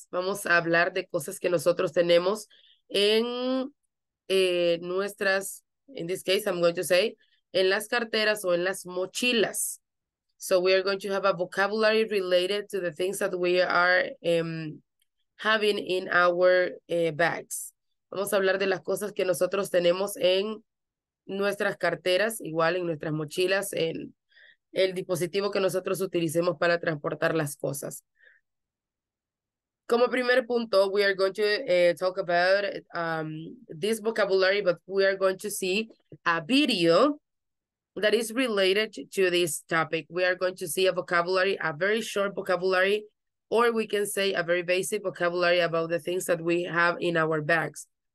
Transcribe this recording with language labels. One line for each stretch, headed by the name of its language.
Spanish: Vamos a hablar de cosas que nosotros tenemos en nuestras,
English: in this case, I'm going to say,
Spanish: en las carteras o en las mochilas.
English: So we are going to have a vocabulary related to the things that we are having in our bags.
Spanish: Vamos a hablar de las cosas que nosotros tenemos en nuestras carteras, igual en nuestras mochilas, en el dispositivo que nosotros utilicemos para transportar las cosas. Como primer punto,
English: we are going to talk about this vocabulary, but we are going to see a video that is related to this topic. We are going to see a vocabulary, a very short vocabulary, or we can say a very basic vocabulary about the things that we have in our bags.